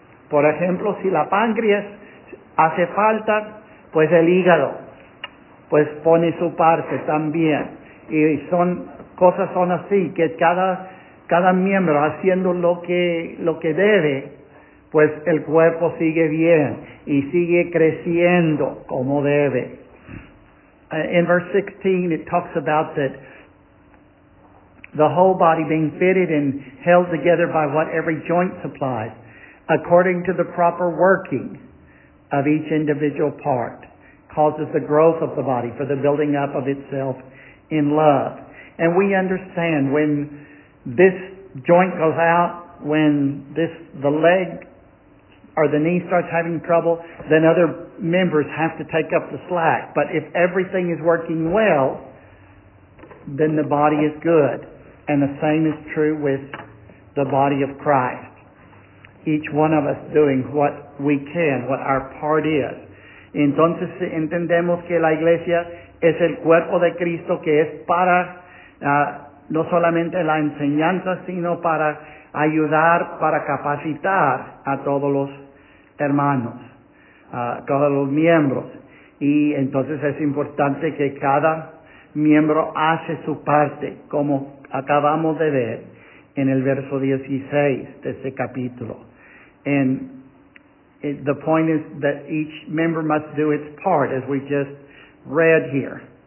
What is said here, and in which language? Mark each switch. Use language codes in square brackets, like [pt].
[es] Por ejemplo, si la páncreas hace falta, pues el hígado pues pone su parte también, y son así, que cada miembro haciendo lo que debe, pues el cuerpo sigue bien y sigue creciendo como debe. [en] In verse 16, it talks about that the whole body being fitted and held together by what every joint supplies, according to the proper working of each individual part, causes the growth of the body for the building up of itself in love. And we understand when this joint goes out, when the leg or the knee starts having trouble, then other members have to take up the slack. But if everything is working well, then the body is good. And the same is true with the body of Christ. Each one of us doing what we can, what our part is. [es] Entonces entendemos que la iglesia es el cuerpo de Cristo, que es para no solamente la enseñanza, sino para ayudar, para capacitar a todos los hermanos, a todos los miembros. Y entonces es importante que cada miembro hace su parte, como acabamos de ver en el verso 16 de este capítulo. [en] And the point is that each member must do its part, as we just read here.